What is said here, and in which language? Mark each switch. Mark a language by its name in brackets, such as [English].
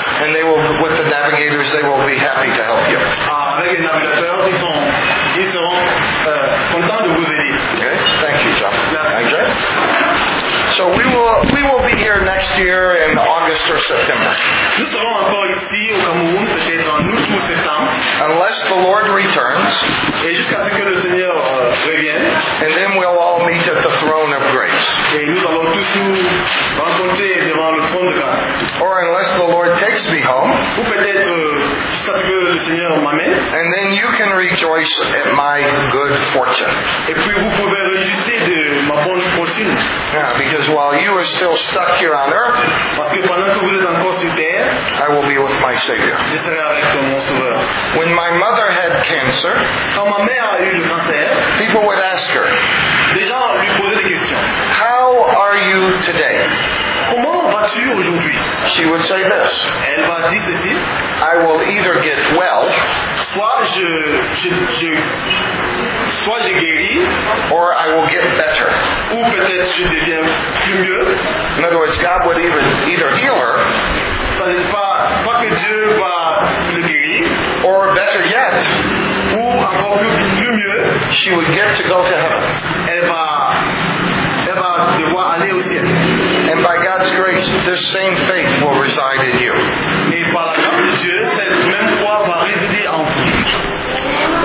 [English] And they will, with the navigators, they will be happy to help you. [French] Avec les navigateurs, ils seront contents de vous aider. [English] Okay. Thank you, John. [French] Merci. [English] Andre. So we will be here next year in August or September. [French] Nous serons encore ici au Cameroun peut-être en août ou septembre. [English] Unless the Lord returns. [French] Et jusqu'à ce que le Seigneur revienne. [English] And then we'll all meet at the throne of grace. [French] Et nous allons tous nous rencontrer devant le trône de grâce. [English] Or unless the Lord takes me home. [French] Ou peut-être jusqu'à ce que le Seigneur m'amène. [English] And then you can rejoice at my good fortune. [French] Et puis vous pouvez réjouir de ma bonne fortune. [English] Yeah, because while you are still stuck here on earth, [French] parce que pendant que vous êtes encore sur terre, [English] I will be with my Savior. [French] Je serai avec toi, mon Sauveur. [English] When my mother had cancer, [French] quand ma mère a eu le cancer, [English] people would ask her, [French] les gens lui posaient des questions. [English] How are you today? [French] Comment vas-tu aujourd'hui? [English] She would say this. [French] Elle va dire ceci. [English] I will either get well, [French] soit je guéris, [English] or I will get better. [French] Ou peut-être je deviens plus mieux. [English] In other words, God would either heal her, [French] ça n'est pas que Dieu va le guérir, [English] or better yet, [French] ou encore plus mieux, [English] she would get to go to heaven. [French] Elle va devoir aller au ciel. [English] And by God's grace, this same faith will reside in you. [French] Et par la grâce de Dieu, cette même foi va résider en vous.